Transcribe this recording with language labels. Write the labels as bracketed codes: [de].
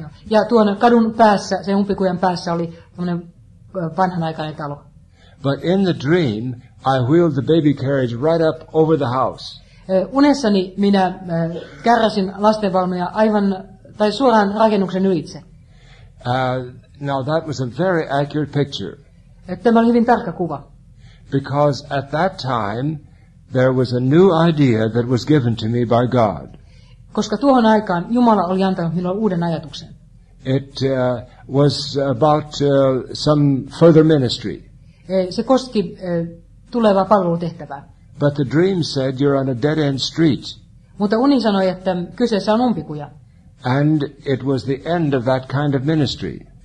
[fi] Ja tuon kadun päässä, sen umpikujan päässä oli tämmöinen vanhanaikainen talo. [en] But in the dream I wheeled the baby carriage right up over the house. [fi] Unessani minä kärräsin lastenvaunuja aivan tai suoraan rakennuksen ylitse. [en] Now that was a very accurate picture. [fi] Tämä oli hyvin tarkka kuva. [en] Because at that time there was a new idea that was given to me by God. [fi] Koska tuohon aikaan Jumala oli antanut minulle uuden ajatuksen. [en] It was about some further ministry. [fi] Se koski tulevaa palvelutehtävää. [en] But the dream said you're on a dead end street. [fi] Mutta uni sanoi, että kyseessä on umpikuja. [en] And it was the end of that kind of ministry.